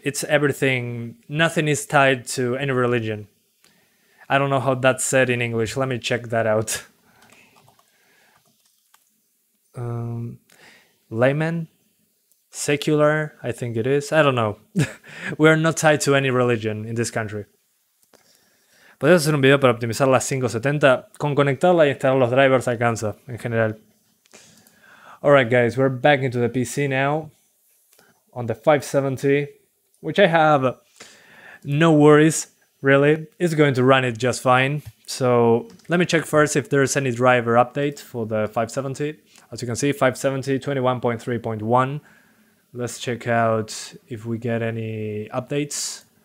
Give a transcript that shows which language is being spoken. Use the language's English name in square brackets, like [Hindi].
[English] It's everything, nothing is tied to any religion. I don't know how that's said in English. Let me check that out. Layman? Secular? I think it is. I don't know. We're not tied to any religion in this country. [Spanish] Podría hacer un video para optimizar las 570 con conectarla y instalar los drivers alcanza en general. [English] Alright guys, we're back into the PC now. On the 570. Which I have no worries. Really, it's going to run it just fine. So let me check first if there's any driver update for the 570. As you can see, 570, 21.3.1. Let's check out if we get any updates.